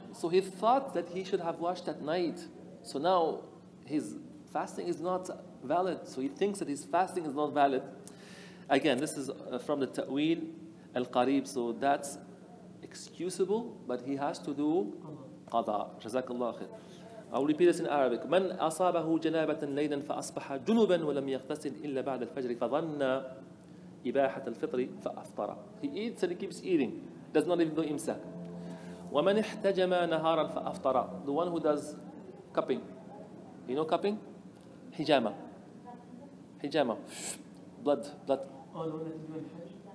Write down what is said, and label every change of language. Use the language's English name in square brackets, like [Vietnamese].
[English] So he thought that he should have washed at night. So now his fasting is not valid. So he thinks that his fasting is not valid. Again, this is from the ta'wil al-qarib, so that's excusable, but he has to do qada. Jazakallah khair. I'll repeat this in Arabic. [Arabic] من أصابه جنابة ليلا فأصبح جنوبا ولم يغتسل إلا بعد الفجر فظن إباحة الفطر فأفطر. [English] He eats and he keeps eating. Does not even do imsak. [Arabic] ومن احتجم نهارا فأفطر. [English] The one who does cupping. You know cupping? Hijama. Hijama. Blood. Oh, the one that you do in Hajj?